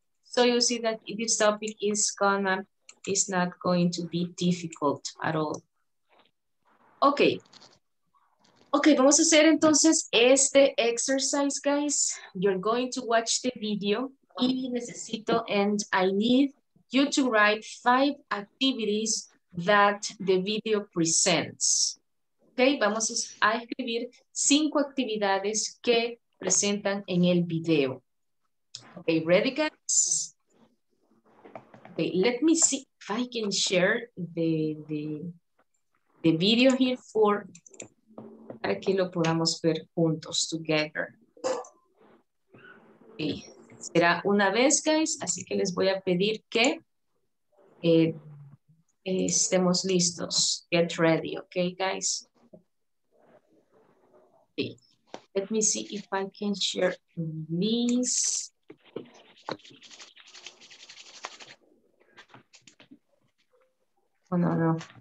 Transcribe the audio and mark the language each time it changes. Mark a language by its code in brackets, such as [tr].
[en] So you see that this topic is not going to be difficult at all. Okay. Okay, [es] vamos a hacer entonces este [en] exercise, guys. You're going to watch the video [es] y necesito [en] and I need you to write 5 activities that the video presents. [es] Okay, vamos a escribir 5 actividades que presentan en el video. [en] Okay, ready guys? Okay, let me see if I can share the video here for [es] para que lo podamos ver juntos, [en] together. Okay. [es] Será una vez, [en] guys, [es] así que les voy a pedir que estemos listos. [en] Get ready, okay, guys? Okay. Let me see if I can share this. Oh, no, no.